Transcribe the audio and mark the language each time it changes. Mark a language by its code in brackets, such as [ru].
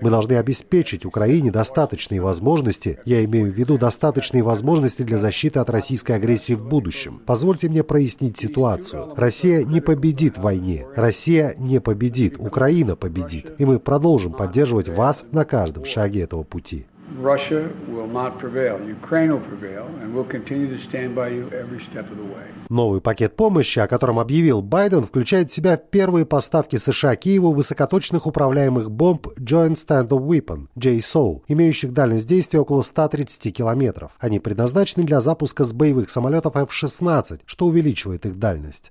[ru] Мы должны обеспечить Украине достаточные возможности, я имею в виду достаточные возможности для защиты от российской агрессии в будущем. Позвольте мне прояснить ситуацию. Россия не победит в войне. Россия не победит. Украина победит. И мы продолжим поддерживать вас на каждом шаге этого пути. [en] Russia will not prevail. Ukraine will prevail, and we'll continue to stand by you every step of the way. [ru] Новый пакет помощи, о котором объявил Байден, включает в себя первые поставки США Киеву высокоточных управляемых бомб Joint Standoff Weapon, JSOW, имеющих дальность действия около 130 километров. Они предназначены для запуска с боевых самолетов F-16, что увеличивает их дальность.